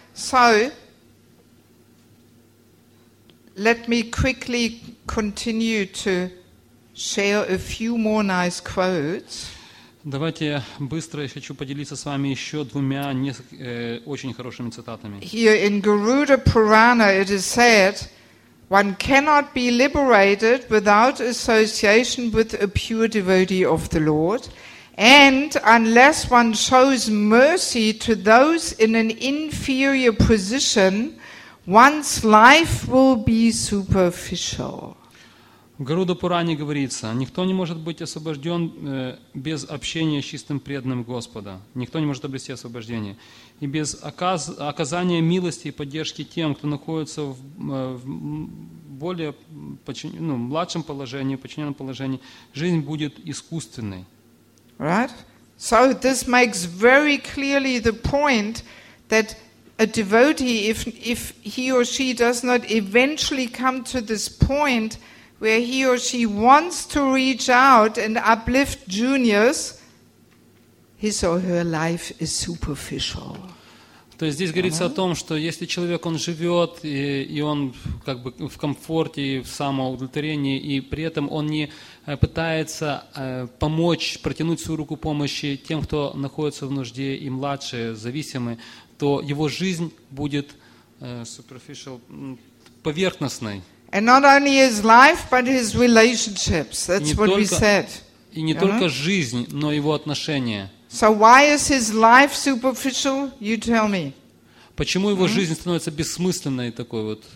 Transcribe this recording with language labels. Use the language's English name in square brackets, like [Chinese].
[English] So let me quickly continue to share a few more nice quotes. [Russian] Давайте быстро я хочу поделиться с вами еще двумя очень хорошими цитатами. [English] Here in Garuda Purana it is said, one cannot be liberated without association with a pure devotee of the Lord, and unless one shows mercy to those in an inferior position, one's life will be superficial. [Russian] В Гаруда Пуране говорится, никто не может быть освобожден без общения с чистым преданным Господа. Никто не может обрести освобождение. И без оказания милости и поддержки тем, кто находится в более младшем положении, подчиненном положении, жизнь будет искусственной. [English] Right? So this makes very clearly the point that a devotee, if he or she does not eventually come to this point where he or she wants to reach out and uplift juniors, his or her life is superficial. [Russian] То есть здесь говорится о том, что если человек, он живет, и он как бы в комфорте, в самоудовлетворении, и при этом он не пытается помочь, протянуть свою руку помощи тем, кто находится в нужде, и младше, зависимый, то его жизнь будет superficial, поверхностной. [English] And not only his life, but his relationships. That's what we said. [Russian] И не только жизнь, но его отношения. [English] So why is his life superficial? You tell me. [Russian] Почему его жизнь становится бессмысленной такой вот?